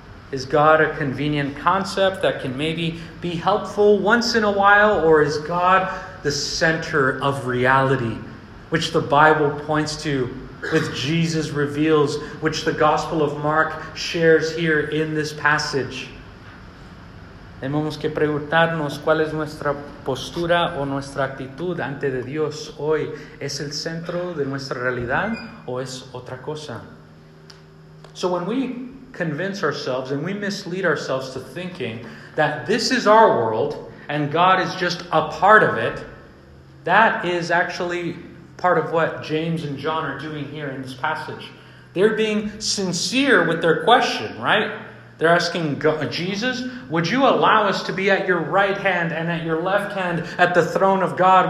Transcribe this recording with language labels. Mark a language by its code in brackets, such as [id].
[en] Is God a convenient concept that can maybe be helpful once in a while? Or is God the center of reality, which the Bible points to, which Jesus reveals, which the Gospel of Mark shares here in this passage? [es] Tenemos que preguntarnos cuál es nuestra postura o nuestra actitud ante de Dios hoy. ¿Es el centro de nuestra realidad o es otra cosa? [en] So when we convince ourselves and we mislead ourselves to thinking that this is our world and God is just a part of it, that is actually part of what James and John are doing here in this passage. They're being sincere with their question, right? They're asking Jesus, would you allow us to be at your right hand and at your left hand at the throne of God?